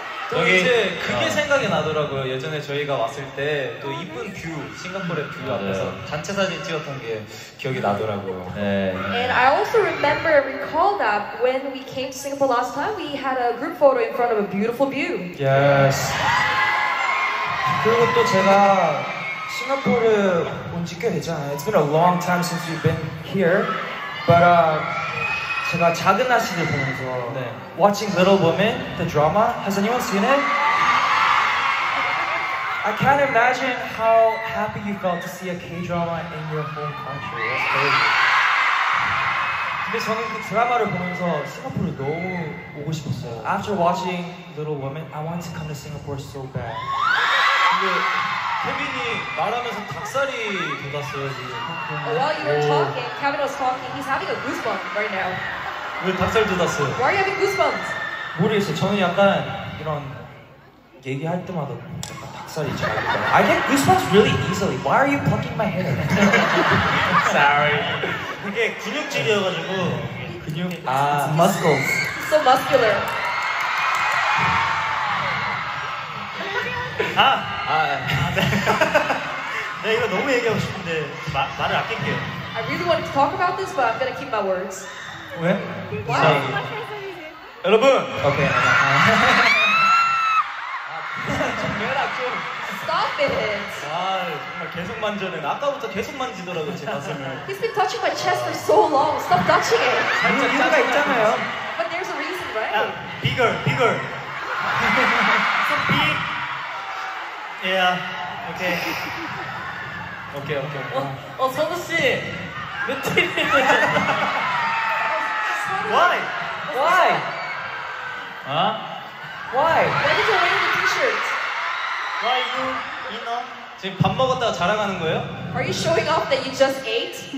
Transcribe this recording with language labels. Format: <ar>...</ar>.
<ko>저기 이제 그게 생각이 나더라고요. 예전에 저희가 왔을 때 또 이쁜 뷰, 싱가포르의 뷰 앞에서 단체 사진 찍었던 게 기억이 나더라고요. 네.</ko> <en>And I also recall that when we came to Singapore last time, we had a group photo in front of a beautiful view. Yes.</en> <ko>그리고 또 제가 싱가포르 온 지 꽤 되잖아요.</ko> <en>It's been a long time since we've been here.</en> <ko>But 제가 작은 아씨를 보면서 네.</ko> <en>Watching Little Women, the drama. Has anyone seen it? I can't imagine how happy you felt to see a K-drama in your home country. That's crazy.</en> <ko>근데 저는 그 드라마를 보면서 싱가포르 너무 오고 싶었어요.</ko> <en>After watching Little Women, I want to come to Singapore so bad.</en> <ko>근데 케빈이 말하면서 닭살이 돋았어요 지금.</ko> <en>While you were talking, Kevin was talking. He's having a goosebump right now.</en> <ko>왜 닭살 돋았어요?</ko> <en>Why are you having goosebumps?</en> <ko>모르겠어요. 저는 약간 이런 얘기할 때마다 약간 닭살이 잘 돋아요.</ko> <en>I get goosebumps really easily. Why are you plucking my hair? Sorry.</en> <ko>그게 근육질이어가지고 근육 아 muscles.</ko> <en>So muscular.</en> <ko>아아네 이거 너무 얘기하고 싶은데 말을 아낄게요.</ko> <en>I really want to talk about this, but I'm gonna keep my words.</en> <ko>왜? 진짜 여러분! 오케이 좀 해라 좀</ko> <en>Stop it!</en> <ko>아 정말 계속 만져내 아까부터 계속 만지더라고 제 가슴을</ko> <en>He's been touching my chest for so long Stop touching it!</en> <ko>살짝 이유가 있잖아요</ko> <en>But there's a reason, right? Yeah, bigger, bigger So big Yeah, okay Okay, okay</en> <ko>어, 선우 씨! 몇 팀이</ko> <en>Why? Huh? Why? Why did you wear the t-shirt? Why you eat</en> <ko>on? 지금 밥 먹었다가 자랑하는 거예요?</ko> <en>Are you showing off that you just ate?</en>